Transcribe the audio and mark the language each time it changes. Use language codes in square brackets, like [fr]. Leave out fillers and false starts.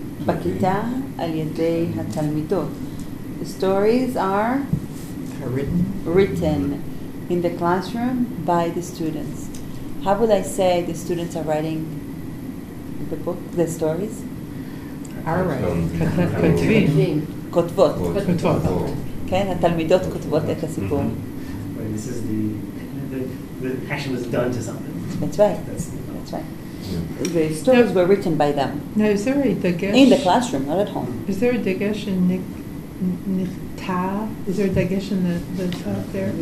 [he] בכיתה על ידי התלמידות. [en] The stories are written in the classroom by the students. How would I say the students are writing the book, the stories? Are writing. [he] כותבים. כותבות. כותבות. כן, התלמידות כותבות את הסיפור. [en] This is the action was done to something. That's right. That's right. The stories were written by them. Now, is there a digesh? In the classroom, not at home. Is there a digesh in nichtav? Is there a digesh in the top there?